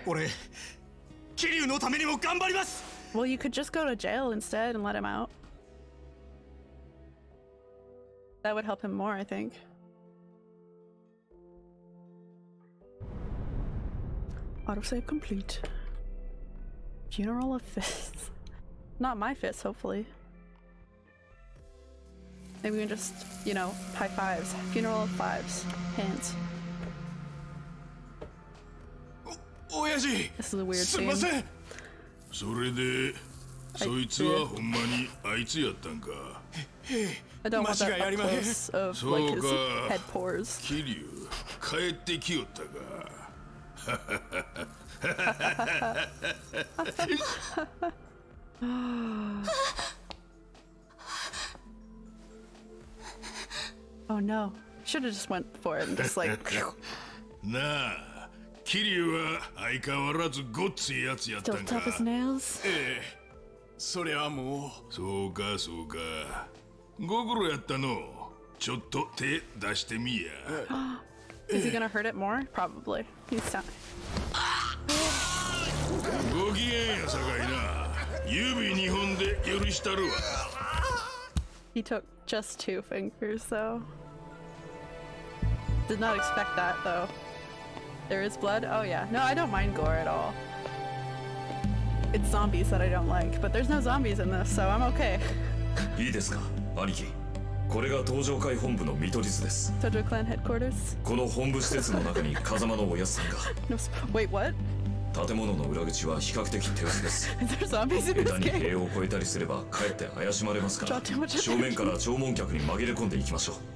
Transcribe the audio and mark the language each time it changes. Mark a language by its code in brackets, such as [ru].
[ja] 俺、キリュウのためにも頑張ります! [en] Well, you could just go to jail instead and let him out. That would help him more, I think. Autosave complete. Funeral of fists. Not my fists, hopefully. Maybe we can just, you know, high fives. Funeral of fives. Hands. Oyaji! This is a weird scene. [ja] それで、そいつはほんまにあいつやったんか? [en] I don't want that up close of like his head pores. [ja] Kiryu, kaette kiyotta ga. [en] Oh no. Should have just went for it and just like. [ja] Nah. Kiryu wa aikawarazu gotsui yatsu yatta ga. [en] Still tough as nails? Eh. [ja] そりゃもう。そうかそうか。ご苦労やったの。ちょっと手出してみや。 [en] Is he gonna hurt it more? Probably. He's done. [ja] ご機嫌やさかいな。指二本で許したるわ。 [en] He took just two fingers, though. Did not expect that, though. There is blood? Oh yeah. No, I don't mind gore at all. It's zombies that I don't like, but there's no zombies in this, so I'm okay. [ja] いいですか、兄貴。これが東条会本部の見取り図です。 [en] Tojo Clan Headquarters? [ja] この本部施設の中に風間のおやすさんが。 [en] No, wait, what? [ja] 建物の裏口は比較的手薄です。下手に塀を越えたりすればかえって怪しまれますから、正面から弔問客に紛れ込んでいきましょう。